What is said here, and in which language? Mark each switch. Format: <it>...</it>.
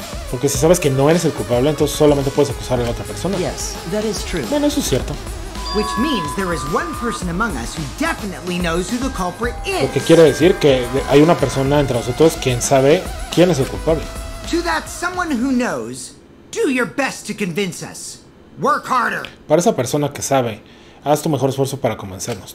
<es>Porque si sabes que no eres el culpable, entonces solamente puedes acusar a la otra persona. Bueno, eso es cierto. Lo que quiere decir que hay una persona entre nosotros quien sabe quién es el culpable.</es> <en>To that someone who knows, do your best to convince us. Work harder.</en> <es>Para esa persona que sabe, haz tu mejor esfuerzo para convencernos.</es>